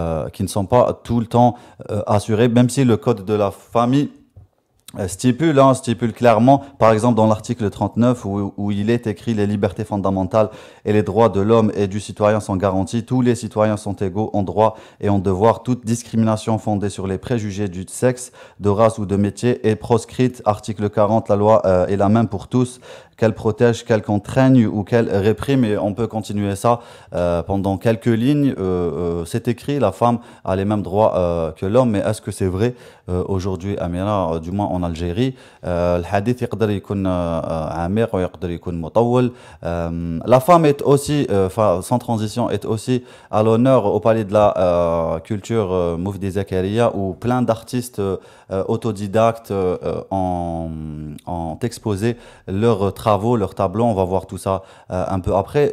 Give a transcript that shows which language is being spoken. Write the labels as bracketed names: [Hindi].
[French] كي نسون با طول تان اسوري ميم سي لو كود دو لا فامي stipule clairement, par exemple dans l'article 39 où il est écrit les libertés fondamentales et les droits de l'homme et du citoyen sont garantis, tous les citoyens sont égaux en droit et en devoir, toute discrimination fondée sur les préjugés du sexe, de race ou de métier est proscrite, article 40, la loi est la même pour tous, qu'elle protège, qu'elle contraigne ou qu'elle réprime, et on peut continuer ça pendant quelques lignes. C'est écrit, la femme a les mêmes droits que l'homme, mais est-ce que c'est vrai aujourd'hui, Amira, du moins en Algérie? [Arabic] Le hadith يقدر يكون عامر ويقدر يكون مطول. [French] La femme est aussi, sans transition, est aussi à l'honneur au palais de la culture Moufdi Zakaria, où plein d'artistes autodidactes ont exposé leur travaux, leurs tableaux, on va voir tout ça un peu après.